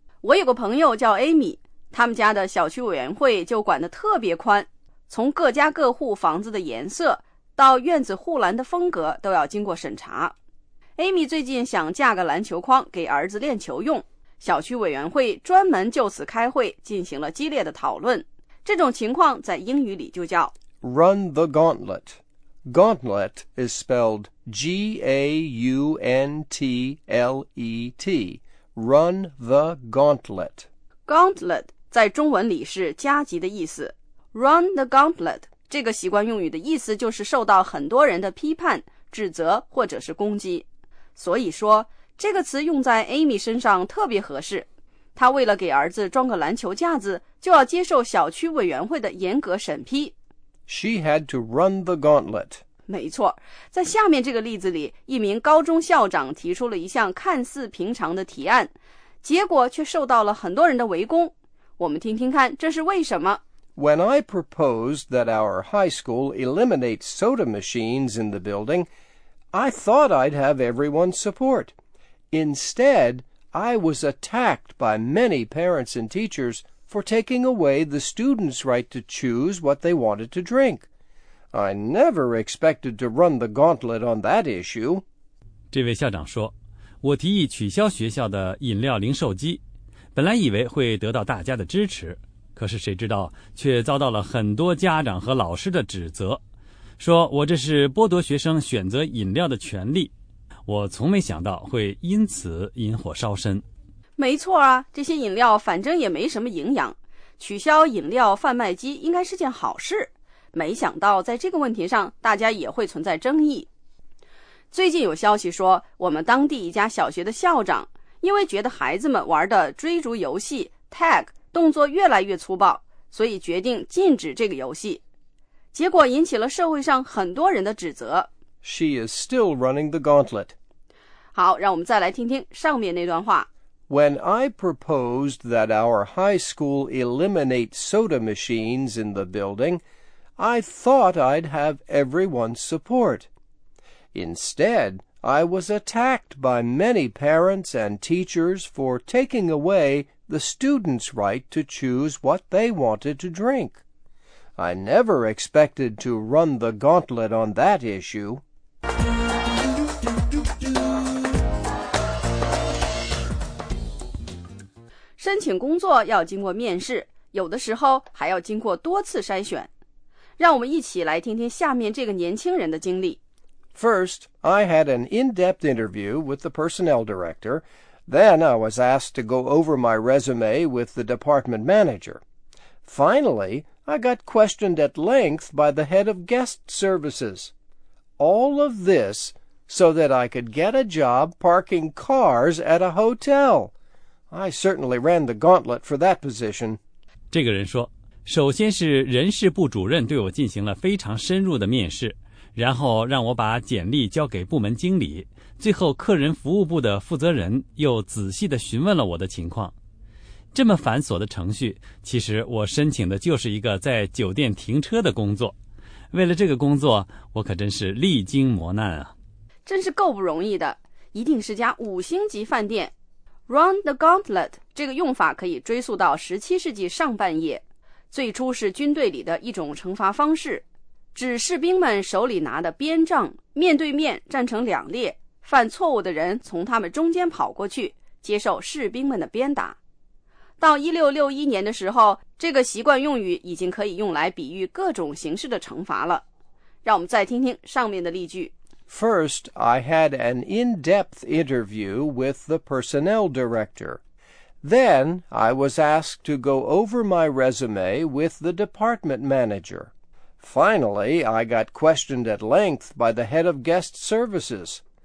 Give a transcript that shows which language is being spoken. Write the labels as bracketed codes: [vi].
[zh] 我有个朋友叫 Amy， 他们家的小区委员会就管得特别宽，从各家各户房子的颜色到院子护栏的风格都要经过审查。 Amy 最近想架个篮球框给儿子练球用，小区委员会专门就此开会进行了激烈的讨论。这种情况在英语里就叫 [en] Run the gauntlet. Gauntlet is spelled G-A-U-N-T-L-E-T. Run the gauntlet. [zh] Gauntlet 在中文里是加急的意思。 [en] Run the gauntlet [zh] 这个习惯用语的意思就是受到很多人的批判、指责或者是攻击。所以说，这个词用在 Amy 身上特别合适。她为了给儿子装个篮球架子，就要接受小区委员会的严格审批。 [en] She had to run the gauntlet. [zh] 没错，在下面这个例子里，一名高中校长提出了一项看似平常的提案，结果却受到了很多人的围攻。我们听听看，这是为什么？ [en] When I proposed that our high school eliminate soda machines in the building, I thought I'd have everyone's support. Instead, I was attacked by many parents and teachers. For taking away the students' right to choose what they wanted to drink. I never expected to run the gauntlet on that issue. [zh] 这位校长说，我提议取消学校的饮料零售机，本来以为会得到大家的支持，可是谁知道却遭到了很多家长和老师的指责，说我这是剥夺学生选择饮料的权利。我从没想到会因此引火烧身。没错啊，这些饮料反正也没什么营养，取消饮料贩卖机应该是件好事。没想到在这个问题上，大家也会存在争议。最近有消息说，我们当地一家小学的校长，因为觉得孩子们玩的追逐游戏 Tag 动作越来越粗暴，所以决定禁止这个游戏，结果引起了社会上很多人的指责。 [en] She is still running the gauntlet. [zh] 好，让我们再来听听上面那段话。 [en] When I proposed that our high school eliminate soda machines in the building, I thought I'd have everyone's support. Instead, I was attacked by many parents and teachers for taking away the students' right to choose what they wanted to drink. I never expected to run the gauntlet on that issue. [zh] 申请工作要经过面试，有的时候还要经过多次筛选。让我们一起来听听下面这个年轻人的经历。 [en] First, I had an in-depth interview with the personnel director. Then I was asked to go over my resume with the department manager. Finally, I got questioned at length by the head of guest services. All of this so that I could get a job parking cars at a hotel. I certainly ran the gauntlet for that position. [zh] 这个人说，首先是人事部主任对我进行了非常深入的面试，然后让我把简历交给部门经理，最后客人服务部的负责人又仔细地询问了我的情况。这么繁琐的程序，其实我申请的就是一个在酒店停车的工作。为了这个工作，我可真是历经磨难啊。真是够不容易的，一定是家五星级饭店。 [en] Run the gauntlet [zh] 这个用法可以追溯到17世纪上半叶，最初是军队里的一种惩罚方式，指士兵们手里拿的鞭杖面对面站成两列，犯错误的人从他们中间跑过去接受士兵们的鞭打。到1661年的时候，这个习惯用语已经可以用来比喻各种形式的惩罚了。让我们再听听上面的例句。 [en] First, I had an in-depth interview with the personnel director. Then, I was asked to go over my resume with the department manager. Finally, I got questioned at length by the head of guest services.